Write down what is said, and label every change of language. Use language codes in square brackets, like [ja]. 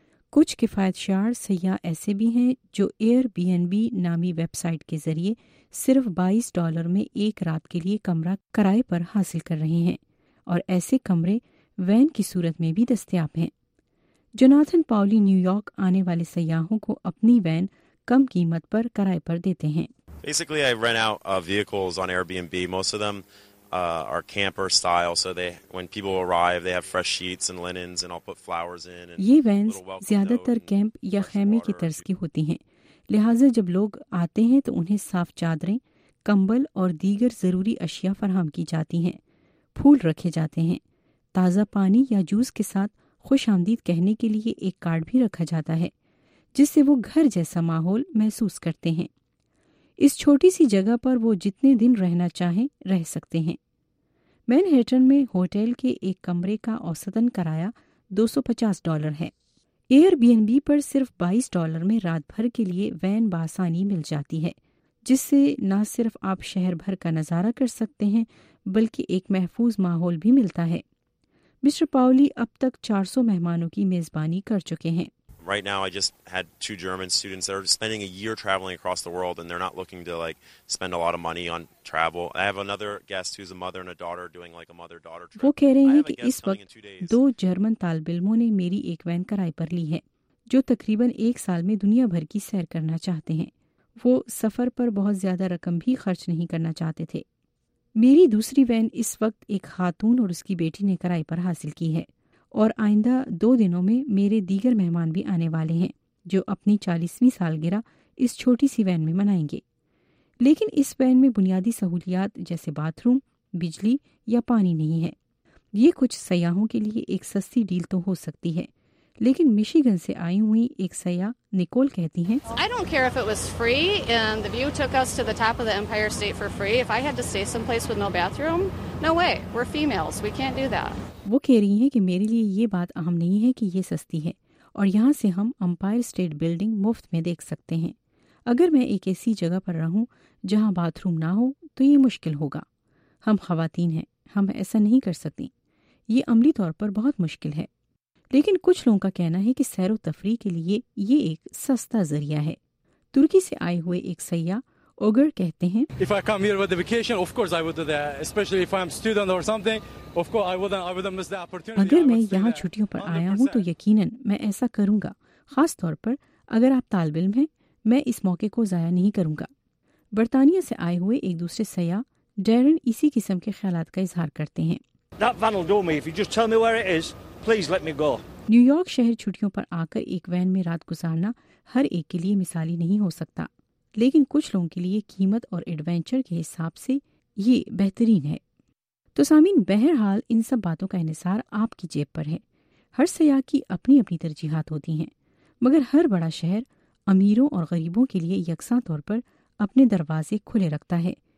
[ur] کچھ کفایت شعار سیاح ایسے بھی ہیں جو ایئر بی این بی نامی ویب سائٹ کے ذریعے صرف $22 میں ایک رات کے لیے کمرہ کرائے پر حاصل کر رہے ہیں, اور ایسے کمرے وین کی صورت میں بھی دستیاب ہیں. جوناتھن پاولی نیو یارک آنے والے سیاحوں کو اپنی وین کم قیمت پر کرائے پر دیتے ہیں. [en] Basically, I rent out vehicles on Airbnb. Most of them are camper style, so they, when people arrive, they have fresh sheets and linens, and I'll put flowers in. [ur] یہ وینز زیادہ تر camp یا خیمے کی طرز کی ہوتی ہیں, لہٰذا جب لوگ آتے ہیں تو انہیں صاف چادریں, کمبل اور دیگر ضروری اشیاء فراہم کی جاتی ہیں, پھول رکھے جاتے ہیں, تازہ پانی یا جوس کے ساتھ خوش آمدید کہنے کے لیے ایک کارڈ بھی رکھا جاتا ہے جس سے وہ گھر جیسا ماحول محسوس کرتے ہیں. اس چھوٹی سی جگہ پر وہ جتنے دن رہنا چاہیں رہ سکتے ہیں. مینہٹن میں ہوٹل کے ایک کمرے کا اوسطاً کرایہ $250 ہے. ایئر بی این بی پر صرف $22 میں رات بھر کے لیے وین بآسانی مل جاتی ہے, جس سے نہ صرف آپ شہر بھر کا نظارہ کر سکتے ہیں بلکہ ایک محفوظ ماحول بھی ملتا ہے. مسٹر پاولی اب تک 400 مہمانوں کی میزبانی کر چکے ہیں. [en] Right now I just had two German students that are spending a year traveling across the world and they're not looking to like spend a lot of money on travel. I have another guest who's a mother and a daughter doing like a mother daughter trip. [ur] وہ کہہ رہے ہیں کہ اس وقت دو German طالب علموں نے میری ایک وین کرائے پر لی ہے جو تقریباً ایک سال میں دنیا بھر کی سیر کرنا چاہتے ہیں. وہ سفر پر بہت زیادہ رقم بھی خرچ نہیں کرنا چاہتے تھے. میری دوسری وین اس وقت ایک خاتون اور اس کی بیٹی نے کرائے پر حاصل کی ہے, اور آئندہ دو دنوں میں میرے دیگر مہمان بھی آنے والے ہیں جو اپنی 40ویں سالگرہ اس چھوٹی سی وین میں منائیں گے. لیکن اس وین میں بنیادی سہولیات جیسے باتھ روم, بجلی یا پانی نہیں ہے. یہ کچھ سیاحوں کے لیے ایک سستی ڈیل تو ہو سکتی ہے, لیکن میشیگن سے آئی ہوئی ایک سیاح نکول کہتی ہیں, [en] I don't care if it was free and the view took us to the top of the Empire State for free. If I had to stay someplace with no bathroom, no way. We're females. We can't do that. [ur] وہ کہہ رہی ہیں کہ میرے لیے یہ بات اہم نہیں ہے کہ یہ سستی ہے, اور یہاں سے ہم امپائر اسٹیٹ بلڈنگ مفت میں دیکھ سکتے ہیں. اگر میں ایک ایسی جگہ پر رہوں جہاں باتھ روم نہ ہو تو یہ مشکل ہوگا. ہم خواتین ہیں, ہم ایسا نہیں کر سکتی. یہ عملی طور پر بہت مشکل ہے, لیکن کچھ لوگوں کا کہنا ہے کہ سیر و تفریح کے لیے یہ ایک سستا ذریعہ ہے. ترکی سے آئے ہوئے ایک سیاح اوگر کہتے ہیں, [en] If I come here with the vacation, of course I would do that. Especially if I'm student or something, of course I wouldn't miss the opportunity. [ur] اگر میں یہاں چھٹیوں پر آیا ہوں تو یقیناً میں ایسا کروں گا, خاص طور پر اگر آپ طالب علم ہیں. میں اس موقع کو ضائع نہیں کروں گا. برطانیہ سے آئے ہوئے ایک دوسرے سیاح ڈیرن اسی قسم کے خیالات کا اظہار کرتے ہیں. [en] That van will do me. If you just tell me where it is, please let me go. [ur] New York شہر چھٹیوں پر آ کر ایک وین میں رات گزارنا ہر ایک کے لیے مثالی نہیں ہو سکتا, لیکن کچھ لوگوں کے لیے قیمت اور ایڈونچر کے حساب سے یہ بہترین ہے. تو سامعین, بہرحال ان سب باتوں کا انحصار آپ کی جیب پر ہے. ہر سیاح کی اپنی اپنی ترجیحات ہوتی ہیں, مگر ہر بڑا شہر امیروں اور غریبوں کے لیے یکساں طور پر اپنے دروازے کھلے رکھتا ہے.